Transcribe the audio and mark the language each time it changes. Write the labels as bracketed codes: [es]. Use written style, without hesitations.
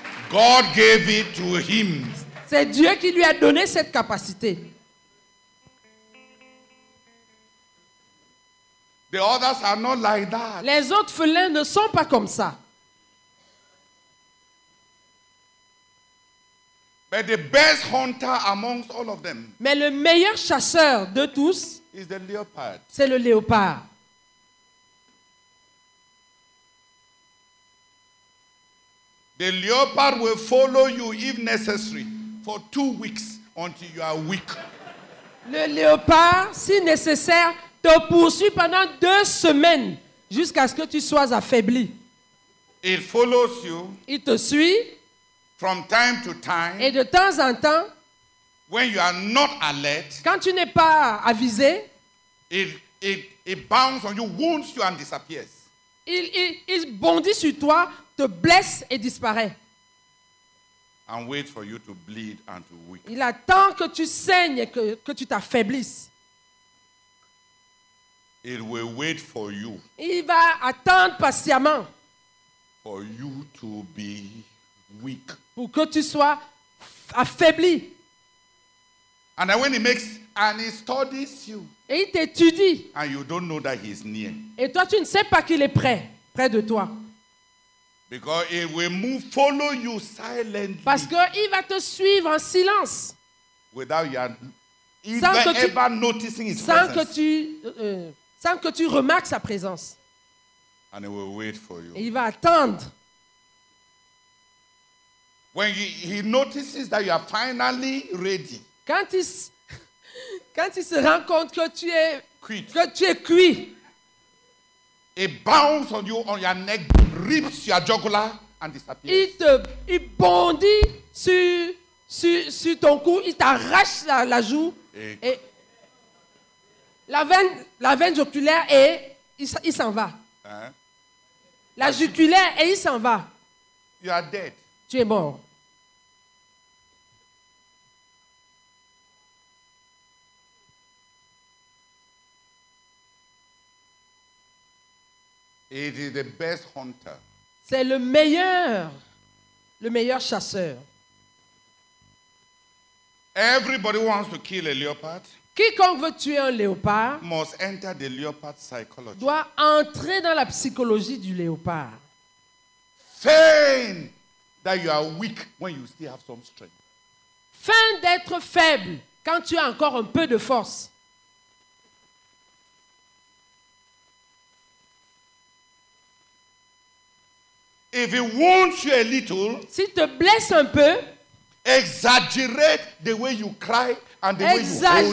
[en] God gave it to him. [fr] C'est Dieu qui lui a donné cette capacité. [en] The others are not like that. [fr] Les autres félins ne sont pas comme ça. [en] But the best hunter amongst all of them. [fr] Mais le meilleur chasseur de tous. [en] Is the leopard. [fr] C'est le léopard. [en] The leopard will follow you if necessary for 2 weeks until you are weak. [fr] Le léopard, si nécessaire, te poursuit pendant 2 semaines jusqu'à ce que tu sois affaibli. [en] It follows you. [fr] Il te suit. [en] From time to time. [fr] Et de temps en temps. [en] When you are not alert. [fr] Quand tu n'es pas avisé. [en] It bounces on you, wounds you and disappears. [fr] Il bondit sur toi, te blesse et disparaît. [en] And wait for you to bleed and to weaken. [fr] Il attend que tu saignes et que tu t'affaiblisses. [en] It will wait for you. [fr] Il va attendre patiemment. [en] For you to be weak. [fr] Pour que tu sois affaibli. [en] And then when he makes and he studies you. [fr] Et il t'étudie. [en] And you don't know that he's near. [fr] Et toi, tu ne sais pas qu'il est près de toi. [en] Because it will move, follow you silently. [fr] Parce qu'il va te suivre en silence. [en] Without you even ever noticing his presence. [fr] Sans que tu remarques sa présence. [en] And it will wait for you. [fr] Et il va attendre. [en] When he notices that you are finally ready. [fr] Quand il se rend compte que tu es cuit. Que tu es cuit. [en] It bounces on you on your neck, rips your jugular and disappears. [fr] Il bondit sur ton cou, il t'arrache la joue et la veine jugulaire et il s'en va. Hein? La jugulaire et il s'en va. [en] You are dead. [fr] Tu es mort. [en] It is the best hunter. [fr] C'est le meilleur chasseur. [en] Everybody wants to kill a leopard. [fr] Quiconque veut tuer un léopard [en] must enter the leopard psychology. [fr] Doit entrer dans la psychologie du léopard. [en] Feign that you are weak when you still have some strength. [fr] Feign d'être faible quand tu as encore un peu de force. [en] If it wounds you a little, [fr] s'il te blesse un peu, [en] exaggerate the way you cry and the way you hold.